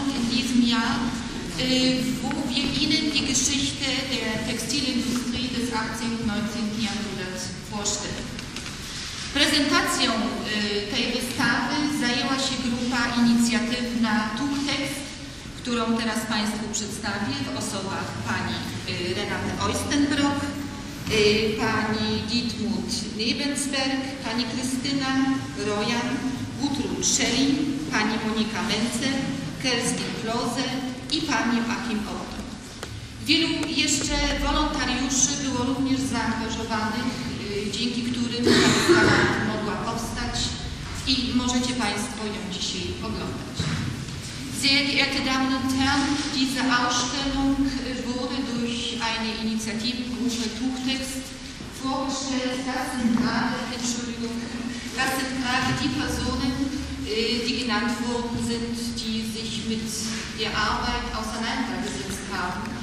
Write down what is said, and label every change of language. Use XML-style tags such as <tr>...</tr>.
<de>diesem Jahr, wo wir Ihnen die Geschichte der Textilindustrie des 18. und 19. Jahrhunderts vorstellen.</de> <pl>Präsentacją tej wystawy zajęła się grupa inicjatywna TUKTEKST, którą teraz Państwu przedstawię w osobach pani Renate Oystenbrock, pani Dietmut Nebensberg, pani Krystyna Rojan, Gudrun Schelling, pani Monika Mence, Kerstin Kloze i pani Joachim Otto. Wielu jeszcze wolontariuszy było również zaangażowanych, dzięki którym ta wystawa mogła powstać i możecie Państwo ją dzisiaj oglądać.</pl> <de>Sehr geehrte Damen und Herren, diese Ausstellung wurde durch eine Initiativgruppe TUKTEKST vorgestellt. Das sind gerade die Personen, die genannt worden sind, die sich mit der Arbeit auseinandergesetzt haben.</de>